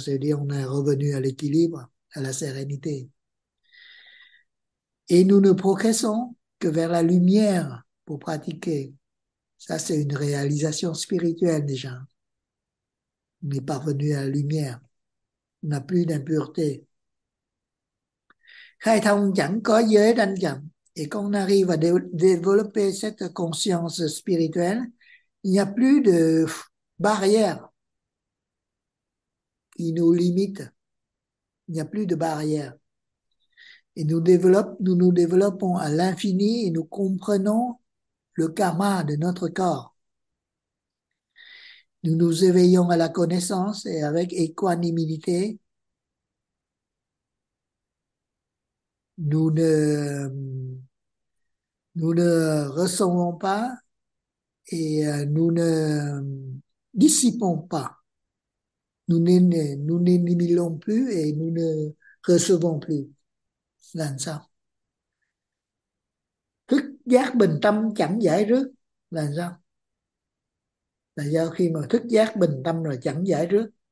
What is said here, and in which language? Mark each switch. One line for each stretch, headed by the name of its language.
French: C'est-à-dire, on est revenu à l'équilibre, à la sérénité. Et nous ne progressons que vers la lumière pour pratiquer. Ça, c'est une réalisation spirituelle déjà. On est parvenu à la lumière. On n'a plus d'impureté.
Vietnamese: Khai thông chẳng có giới ranh chặn.
French: Et quand on arrive à développer cette conscience spirituelle, il n'y a plus de barrière qui nous limite. Il n'y a plus de barrière. Et nous nous développons à l'infini et nous comprenons le karma de notre corps. Nous nous éveillons à la connaissance et avec équanimité, nous ne recevons pas nous ne dissipons pas, nous n'émilons plus et nous ne recevons plus
Vietnamese: làm sao? Thức giác bình tâm chẳng giải rước là sao? Là do khi mà thức giác bình tâm rồi chẳng giải rước.